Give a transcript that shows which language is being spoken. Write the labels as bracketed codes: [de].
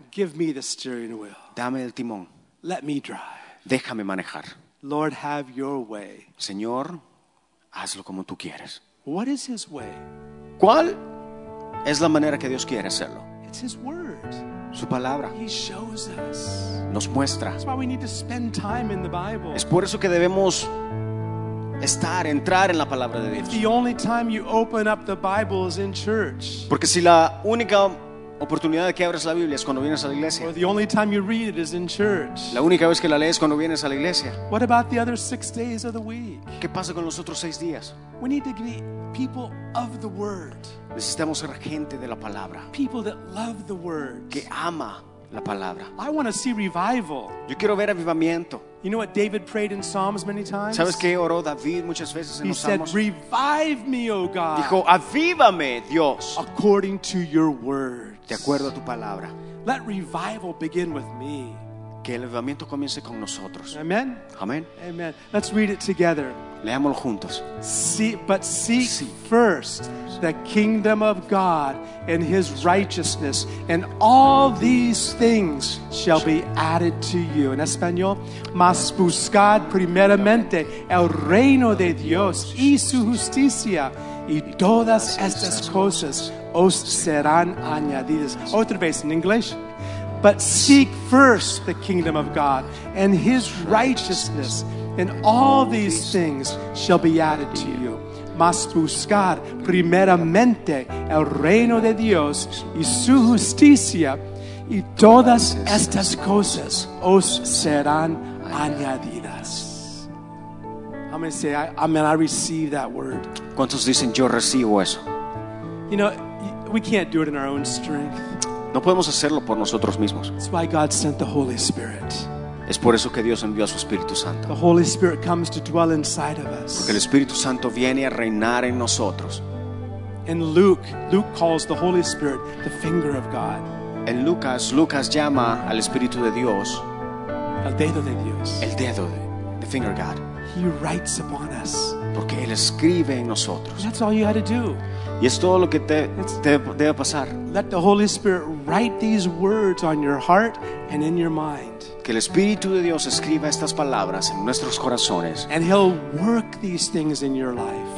[en] Give me the steering wheel. [es] Dame el timón. [en] Let me drive. [es] Déjame manejar. [en] Lord, have your way. [es] Señor, hazlo como tú quieres. [en] What is his way? [es] ¿Cuál es la manera que Dios quiere hacerlo? [en] It's his word. [es] Su palabra. [en] He shows us. [es] Nos muestra. [en] That's why we need to spend time in the Bible. [es] Es por eso que debemos estar, entrar en la palabra de Dios. [en] If the only time you open up the Bible is in church. [es] Porque si la única oportunidad de que abres la Biblia es cuando vienes a la iglesia. [en] Or the only time you read it is in church. [es] La única vez que la lees cuando vienes a la iglesia. [en] What about the other 6 days of the week? [es] ¿Qué pasa con los otros 6 días? [en] We need to be people of the word. [es] Necesitamos ser gente de la palabra. [en] People that love the word. [es] Que ama la palabra. [en] I want to see revival. [es] Yo quiero ver avivamiento. [en] You know what David prayed in Psalms many times? [es] ¿Sabes qué oró David muchas veces en los Salmos? [en] He said, "Revive me, O God." [es] Dijo, "Avívame, Dios." [en] According to your word. [es] De acuerdo a tu palabra. [en] Let revival begin with me. [es] Que el avivamiento comience con nosotros. [en] Amen. [es] Amen. [en] Amen. Let's read it together. [es] Leámoslo juntos. [en] Seek first the kingdom of God and his righteousness, and all these things shall be added to you. [es] En español, mas buscad primeramente el reino de Dios y su justicia, y todas estas cosas os serán añadidas. Otra vez en inglés. [en] But seek first the kingdom of God and his righteousness, and all these things shall be added to you. [es] Mas buscar primeramente el reino de Dios y su justicia, y todas estas cosas os serán añadidas. [en] I'm going to say, I receive that word. [es] ¿Cuántos dicen yo recibo eso? [en] You know, we can't do it in our own strength. [es] No podemos hacerlo por nosotros mismos. [en] That's why God sent the Holy Spirit. [es] Es por eso que Dios envió a su Espíritu Santo. [en] The Holy Spirit comes to dwell inside of us. [es] Porque el Espíritu Santo viene a reinar en nosotros. [en] And Luke calls the Holy Spirit the finger of God. [es] En Lucas llama al Espíritu de Dios el dedo de Dios. El dedo de [en] the finger of God. He writes upon us. [es] Porque él escribe en nosotros. [en] That's all you had to do. [es] Y es todo lo que te debe pasar. [en] Let the Holy Spirit write these words on your heart and in your mind. [es] Que el Espíritu de Dios escriba estas palabras en nuestros corazones. [en] And he'll work these things in your life.